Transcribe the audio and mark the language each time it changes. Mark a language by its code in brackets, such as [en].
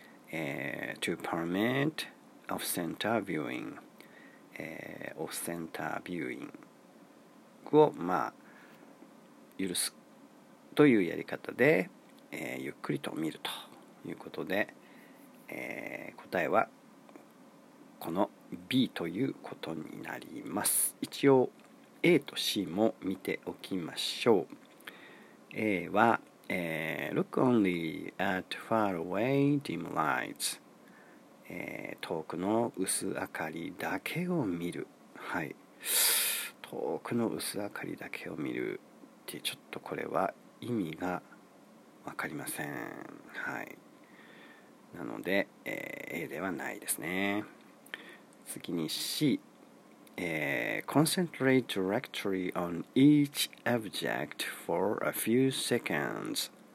[en] To permit off-center viewing、off-center viewing [ja] を、まあ、許すというやり方で、ゆっくりと見るということで、答えはこの B ということになります。一応 A と C も見ておきましょう。 [en] A はLook only at far away dim lights. [ja] 遠くの薄明かりだけを見る。はい。遠くの薄明かりだけを見るって、ちょっとこれは意味がわかりません。はい。なので、A ではないですね。次に C。 [en] Concentrate directly on each object for a few seconds.